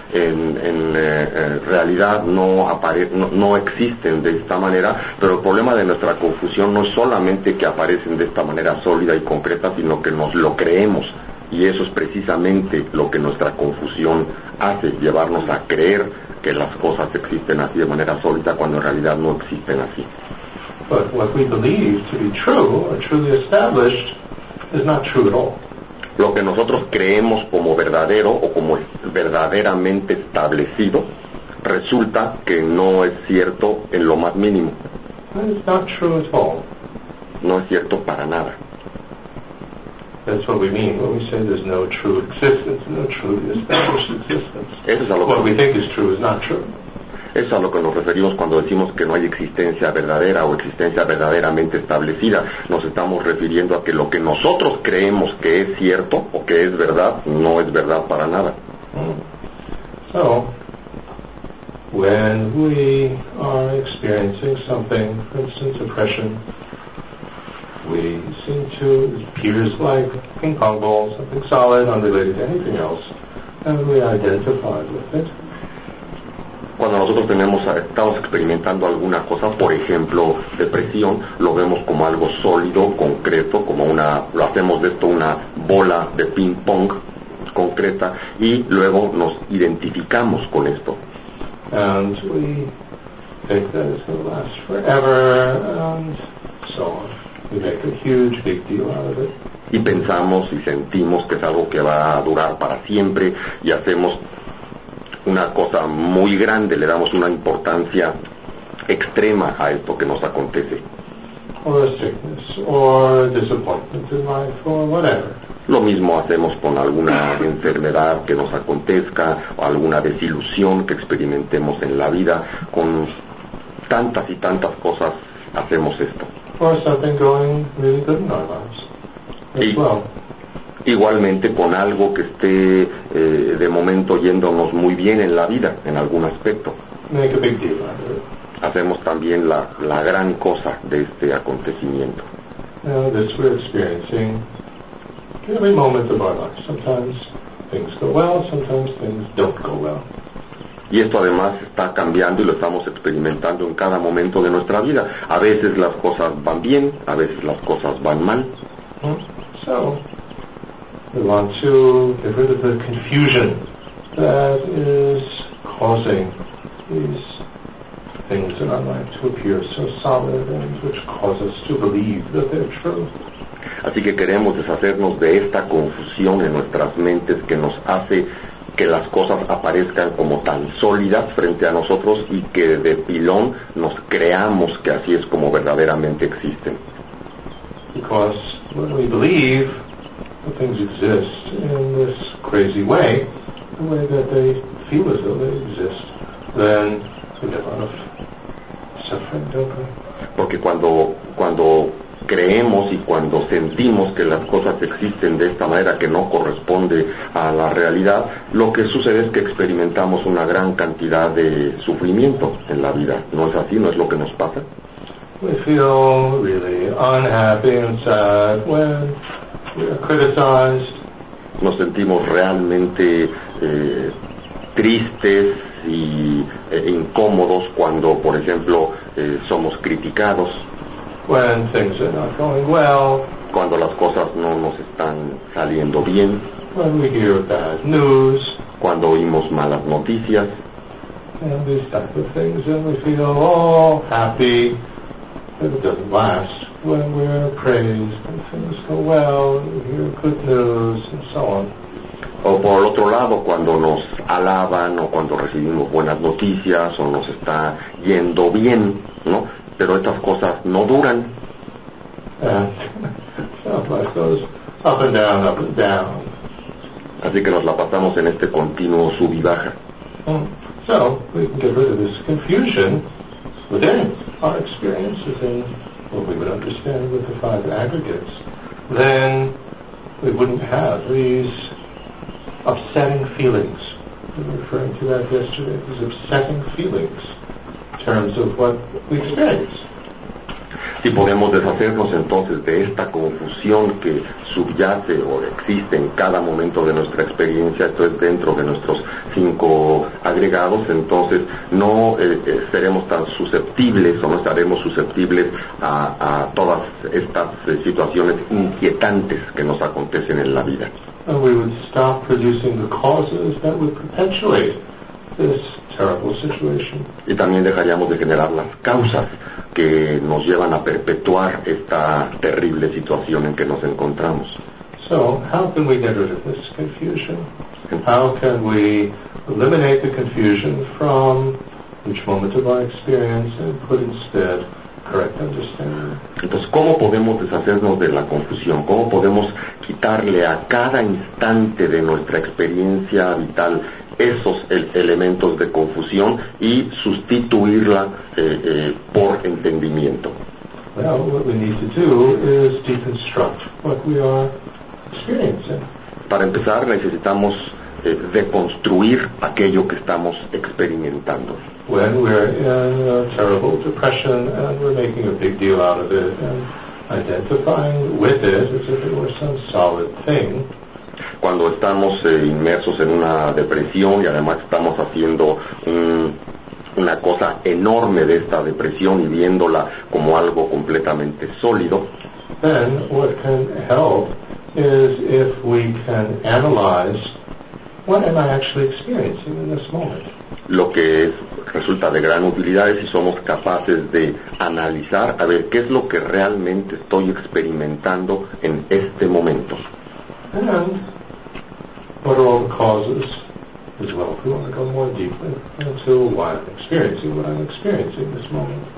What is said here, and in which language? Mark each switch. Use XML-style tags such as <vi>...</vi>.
<es>En realidad no existen de esta manera, pero el problema de nuestra confusión no es solamente que aparecen de esta manera sólida y concreta, sino que nos lo creemos. Y eso es precisamente lo que nuestra confusión hace, llevarnos a creer que las cosas existen así de manera sólida cuando en realidad no existen así.</es> <en>But what we believe to be true or truly established is not true at all.</en> <es>Lo que nosotros creemos como verdadero o como verdaderamente establecido resulta que no es cierto en lo más mínimo.</es> <en>It's not true at all.</en> <es>No es cierto para nada.</es> <en>That's what we mean when we say there's no true existence, no truly established existence.</en> <es>Eso es lo</es> <en>what we think is true is not true.</en> <es>Eso es a lo que nos referimos cuando decimos que no hay existencia verdadera o existencia verdaderamente establecida. Nos estamos refiriendo a que lo que nosotros creemos que es cierto o que es verdad, no es verdad para nada.</es> <en>So, when we are experiencing something, for instance, oppression, we seem to, it appears like ping pong ball, something solid, unrelated to anything else, and we identify with it.</en> <es>Cuando nosotros estamos experimentando alguna cosa, por ejemplo, depresión, lo vemos como algo sólido, concreto, como una, lo hacemos de esto una bola de ping pong concreta, y luego nos identificamos con esto.</es> <en>And we think that it's going to last forever, and so on. We make a huge big deal out of it.</en> <es>Y pensamos y sentimos que es algo que va a durar para siempre, y hacemos una cosa muy grande, le damos una importancia extrema a esto que nos acontece.</es> <en>Or a sickness, or a disappointment in life, or whatever.</en> <es>Lo mismo hacemos con alguna enfermedad que nos acontezca, o alguna desilusión que experimentemos en la vida, con tantas y tantas cosas hacemos esto.</es> <en>Or something going really good in our lives, as well.</en> <es>Igualmente con algo que esté de momento yéndonos muy bien en la vida, en algún aspecto.</es> <en>Make a big deal,</en> <es>hacemos también la gran cosa de este acontecimiento.</es> <en>This we're experiencing every moment of our life. Sometimes things go well, sometimes things don't go well.</en> <es>Y esto además está cambiando y lo estamos experimentando en cada momento de nuestra vida. A veces las cosas van bien, a veces las cosas van mal.</es> <en>So, we want to get rid of the confusion that is causing these things in our life to appear so solid and which cause us to believe that they're true.</en> <es>Así que queremos deshacernos de esta confusión en nuestras mentes que nos hace que las cosas aparezcan como tan sólidas frente a nosotros y que de pilón nos creamos que así es como verdaderamente existen.</es> <en>Because when we believe things exist in this crazy way, the way that they feel as though they exist, then we get a lot of suffering, don't we?</en> <es>Porque cuando creemos y cuando sentimos que las cosas existen de esta manera que no corresponde a la realidad, lo que sucede es que experimentamos una gran cantidad de sufrimiento en la vida. ¿No es así? ¿No es lo que nos pasa?</es> <en>We feel really unhappy and sad when we are criticized.</en> <es>Nos sentimos realmente tristes y incómodos cuando, por ejemplo, somos criticados.</es> <en>When things are not going well.</en> <es>Cuando las cosas no nos están saliendo bien.</es> <en>When we hear bad news.</en> <es>Cuando oímos malas noticias.</es> <en>And these type of things, and we feel all happy. But it doesn't last when we're praised and things go well and hear good news and so on.</en> <es>O por otro lado, cuando nos alaban o cuando recibimos buenas noticias o nos está yendo bien, ¿no? Pero estas cosas no duran.</es> <en>Up and down, up and down.</en> <es>Así que nos la pasamos en este continuo sub y baja.</es> <en>So, we can get rid of this confusion within our experience, within what we would understand with the five aggregates. Then we wouldn't have these upsetting feelings. We were referring to that yesterday, these upsetting feelings. Terms of what we experience.</en> <es>Si podemos deshacernos entonces de esta confusión que subyace o existe en cada momento de nuestra experiencia, esto es dentro de nuestros cinco agregados, entonces no seremos tan susceptibles o no estaremos susceptibles a todas estas situaciones inquietantes que nos acontecen en la vida.</es> <en>And we would stop producing the causes that would perpetuate this terrible situation.</en> <es>Y también dejaríamos de generar las causas que nos llevan a perpetuar esta terrible situación en que nos encontramos.</es> <en>So, how can we get rid of this confusion? And how can we eliminate the confusion from each moment of our experience and put instead correct understanding?</en> <es>Entonces, ¿cómo podemos deshacernos de la confusión? ¿Cómo podemos quitarle a cada instante de nuestra experiencia vital esos elementos de confusión y sustituirla por entendimiento?</es> <en>Well, what we need to do is deconstruct what we are experiencing.</en> <es>Para empezar, necesitamos deconstruir aquello que estamos experimentando.</es> <en>When we're in a terrible depression and we're making a big deal out of it and identifying with it as if it were some solid thing.</en> <es>Cuando estamos inmersos en una depresión y además estamos haciendo una cosa enorme de esta depresión y viéndola como algo completamente sólido.</es> <en>Then what can help is if we can analyze what am I actually experiencing in this moment.</en> <es>Lo que es, resulta de gran utilidad es si somos capaces de analizar a ver qué es lo que realmente estoy experimentando en este momento.</es> <en>And what are all the causes as well if we want to go more deeply into why I'm experiencing what I'm experiencing this moment.</en>